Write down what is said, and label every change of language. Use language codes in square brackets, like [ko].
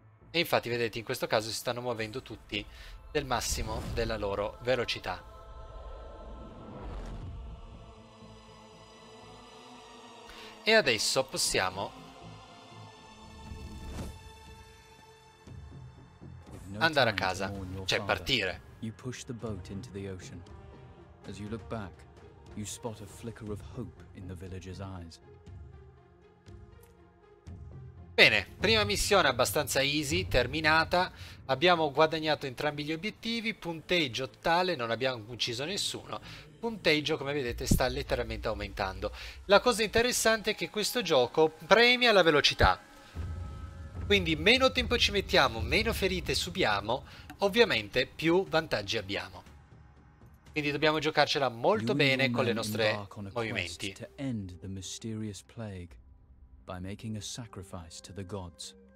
[it] E infatti, vedete, in questo caso si stanno muovendo tutti del massimo della loro velocità. E adesso possiamo andare a casa, cioè partire. [en] You push the boat into the ocean. As you look back, you spot a flicker of hope in the villagers' eyes. [it] Bene, prima missione abbastanza easy, terminata. Abbiamo guadagnato entrambi gli obiettivi, punteggio tale, non abbiamo ucciso nessuno. Punteggio, come vedete, sta letteralmente aumentando. La cosa interessante è che questo gioco premia la velocità. Quindi meno tempo ci mettiamo, meno ferite subiamo, ovviamente più vantaggi abbiamo. Quindi dobbiamo giocarcela molto bene con le nostre movimenti. [en] To end the mysterious plague by making a sacrifice to the gods.